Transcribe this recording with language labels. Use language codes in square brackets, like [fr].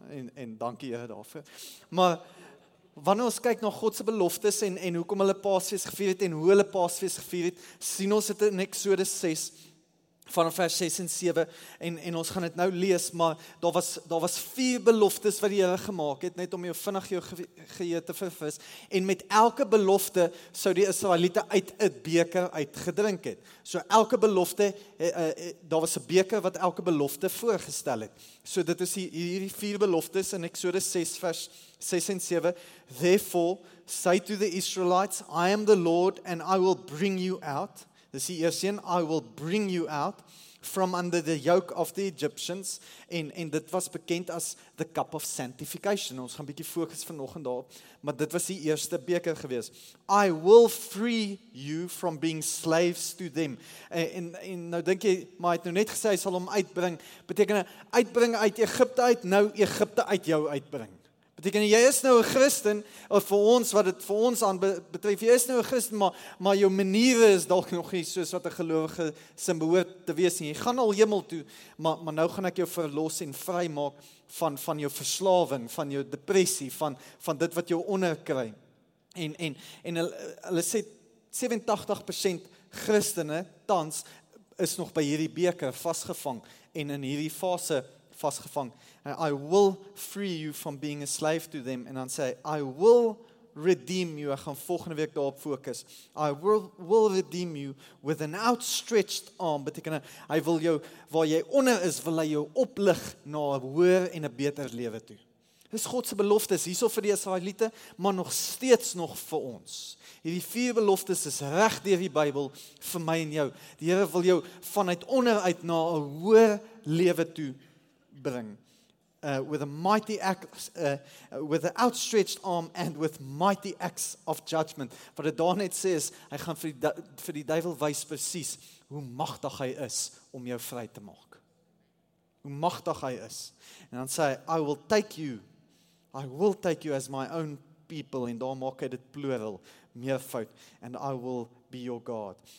[af] En dankie Here daarvoor. Maar wanneer ons kyk na God se beloftes en hoekom hulle Paasfees gevier het en hoe hulle Paasfees gevier het, sien ons dit in Exodus 6 vanaf vers 6 en 7 en ons gaan dit nou lees, maar daar was 4 beloftes wat die Here gemaak het net om jou vinnig jou geheue te verfris en met elke belofte sou die Israeliete uit 'n beker uitgedrink het. So elke belofte daar was 'n beker wat elke belofte voorgestel het. So dit is hierdie 4 beloftes in Exodus 6 vers 6 en 7. [en] Therefore say to the Israelites, I am the Lord and I will bring you out. [af] Dis die eerste een, [en] I will bring you out from under the yoke of the Egyptians. [af] En dit was bekend as [en] the cup of sanctification. [af] Ons gaan bietjie fokus vanoggend daarop. Maar dit was die eerste beker gewees. [en] I will free you from being slaves to them. [af] En nou dink jy, maar hy het nou net gesê, hy sal hom uitbring. Beteken uitbring uit Egypte uit, nou Egypte uit jou uitbring. Beteken jy is nou 'n Christen, of vir ons, wat het vir ons aan betref, jy is nou 'n Christen, maar jou maniere is dalk nog nie soos wat 'n gelowige sin behoort te wees nie. Jy gaan al hemel toe, maar nou gaan ek jou verlos en vry maak van jou verslawing, van jou depressie, van dit wat jou onderkry. En hulle sê 87% Christene, tans, is nog by hierdie beker vasgevang en in hierdie fase vasgevang. [en] I will free you from being a slave to them. [af] En dan sê, [en] I will redeem you. [af] Ek gaan volgende week daarop fokus. [en] I will redeem you with an outstretched arm. [af] Beteken, hy wil jou, waar jy onder is, wil hy jou oplig na 'n hoër en 'n beter lewe toe. Dis Godse beloftes, hierso vir die Israeliete, maar nog steeds nog vir ons. Hierdie vier beloftes is reg deur die Bybel vir my en jou. Die Here wil jou vanuit onderuit na 'n hoër lewe toe bring. [en] With a mighty act, with an outstretched arm and with mighty acts of judgment. [af] Wat het daar net sê is, hy gaan vir die duivel wys presies hoe magtig hy is om jou vry te maak. Hoe magtig hy is. En dan sê hy, [en] I will take you as my own people, [af] en daar maak hy dit plural, meervoud, [en] and I will be your God.